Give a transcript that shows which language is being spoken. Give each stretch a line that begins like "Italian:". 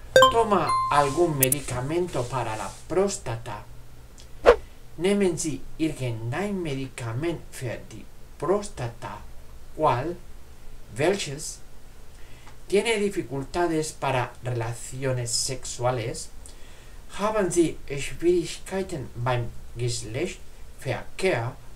Spanish: Toma algún medicamento para la próstata.
German: Nehmen Sie irgendein Medikament für die Prostata.
Spanish: ¿Cuál?
German: Welches?
Spanish: ¿Tiene dificultades para relaciones sexuales?
German: Haben Sie Schwierigkeiten beim Geschlechtsverkehr?